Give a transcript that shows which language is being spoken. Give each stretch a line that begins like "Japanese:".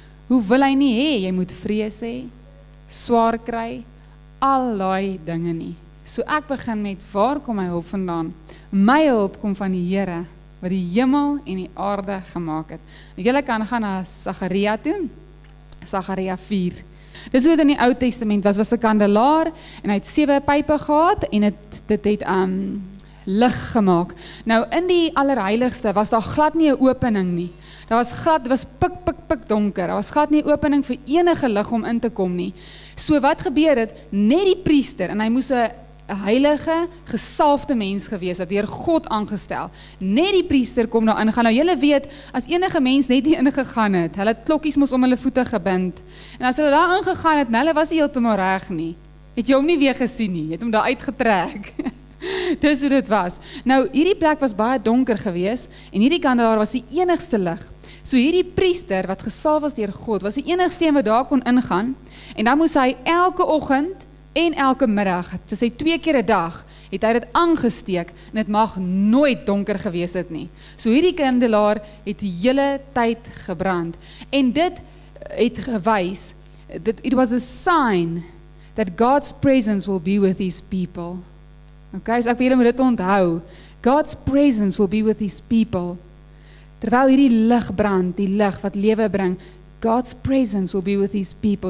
Afrikaans: Hoe wil hy nie hê jy moet vrees hê, swaar kry, al daai dinge nie. So ek begin met, waar kom my hulp vandaan? My hulp kom van die Here, wat die hemel en die aarde gemaak het. Julle kan gaan na Sagaria toe, Sagaria 4. Dis hoe dit in die Ou Testament was een kandelaar, en hy het 7 pype gehad, en dit het lig gemaak. Nou, in die allerheiligste was daar glad nie 'n opening nie. Daar was glad, was pik donker. Daar was glad nie 'n opening vir enige lig om in te kom nie. So wat gebeur het, net die priester, en hy moes 'n heilige, gesalfde mens gewees, dat deur God aangestel. Net die priester kom daar ingaan. Nou, julle weet, as enige mens net hier ingegaan het, hulle klokkies moes om hulle voete gebind. En as hulle daar ingegaan het, hulle was nie heeltemal reg nie. Het jy hom nie weer gesien nie, het hom daar uitgetrek. Dis hoe dit was. Nou, hierdie plek was baie donker gewees, en hierdie kandelaar was die enigste lig. So hierdie priester, wat gesalf was deur God, was die enigste een wat daar kon ingaan, en dan moes hy elke oggend, en elke middag, te sê 2 keer 'n dag, het hy dit aangesteek en het mag nooit donker gewees het nie. So hierdie kandelaar het die hele tyd gebrand.
English: En dit het gewys, that it was a sign that God's presence will be with his people. Okay, so ek wil julle moet dit onthou. God's presence will be with his people.
Afrikaans: Terwyl hierdie lig brand, die lig wat lewe bring, God's presence will be with his people.